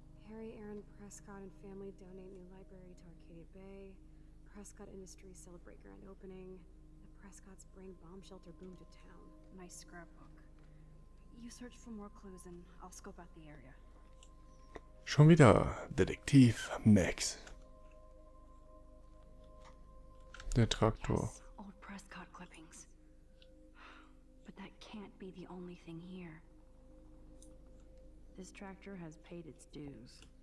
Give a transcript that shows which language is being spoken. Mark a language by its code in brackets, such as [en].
[en] Harry Aaron Prescott and family donate new library to Arcadia Bay. Prescott Industries celebrate grand opening. The Prescotts bring bomb shelter boom to town. My scrapbook. You search for more clues and I'll scope out the area. [de] Schon wieder Detektiv Max. Der Traktor. [en] Yes, old Prescott clippings. But that can't be the only thing here. This tractor has paid its dues.